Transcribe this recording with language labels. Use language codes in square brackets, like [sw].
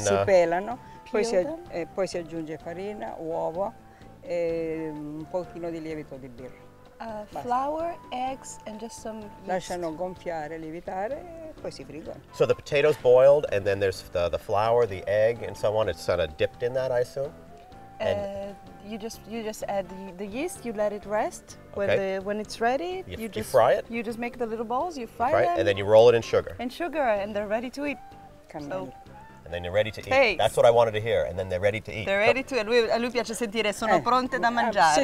[it] si pelano, poi si aggiunge farina, uovo e un pochino di lievito di birra. [en] Flour, eggs and just some yeast. [it] Lasciano gonfiare, lievitare e poi si friggono. [en] So the potato's boiled and then there's the flour, the egg and so on. It's sort of dipped in that, I assume. You just add the yeast, you let it rest. Okay. When it's ready, you fry it. You just make the little balls, you fry them. And then you roll it in sugar. And sugar, and they're ready to eat. And then you're ready to eat. That's what I wanted to hear. And then they're ready to eat. They're ready to eat. [it] A lui piace sentire, sono pronte da mangiare.